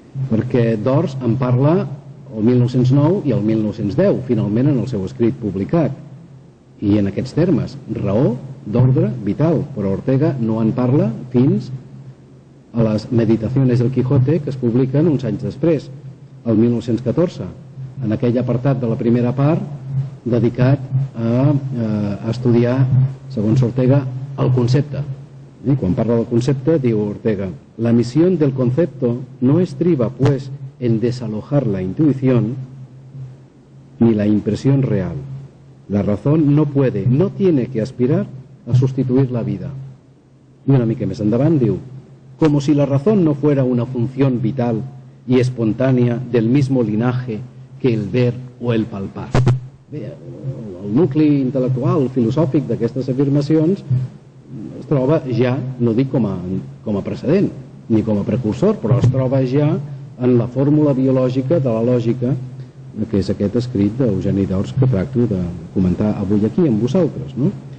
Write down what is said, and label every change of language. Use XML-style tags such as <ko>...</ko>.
<ca>Perquè Dors en parla el 1909 i el 1910, finalment en el seu escrit publicat, i en aquests termes, raó d'ordre vital, però Ortega no en parla fins a les Meditaciones del Quijote, que es publiquen uns anys després, el 1914, en aquell apartat de la primera part dedicat a estudiar, segons Ortega, el concepte.</ca> <es>Y cuando parla del concepto, dice Ortega, la misión del concepto no estriba, pues, en desalojar la intuición ni la impresión real. La razón no puede, no tiene que aspirar a sustituir la vida. Y</es> <ca>una mica més endavant, diu,</ca> <es>como si la razón no fuera una función vital y espontánea del mismo linaje que el ver o el palpar.</es> <ca>El nucli intelectual, filosòfic d'aquestes afirmacions es troba ja, no dic com a precedent ni com a precursor, però es troba ja en la fórmula biològica de la lògica, que és aquest escrit d'Eugeni d'Ors que tracto de comentar avui aquí amb vosaltres, no?</ca>